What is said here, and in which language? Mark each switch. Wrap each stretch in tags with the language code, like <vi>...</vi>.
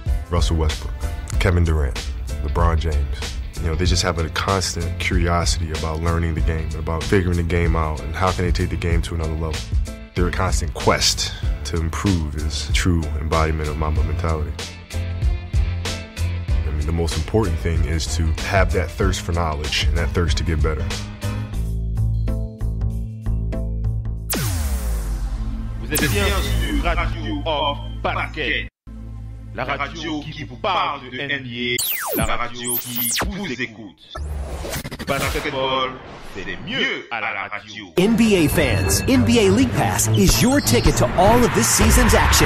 <en>Russell Westbrook, Kevin Durant, LeBron James. You know, they just have a constant curiosity about learning the game, about figuring the game out, and how can they take the game to another level. Their constant quest to improve is a true embodiment of Mamba mentality. I mean, the most important thing is to have that thirst for knowledge and that thirst to get better.</en> <fr>Vous êtes bien sur Radio Off Paraquet, la radio qui vous parle de NBA, la radio qui vous écoute. Basketball, c'est les mieux à la radio.</fr> <en>NBA fans, NBA League Pass is your ticket to all of this season's action.</en>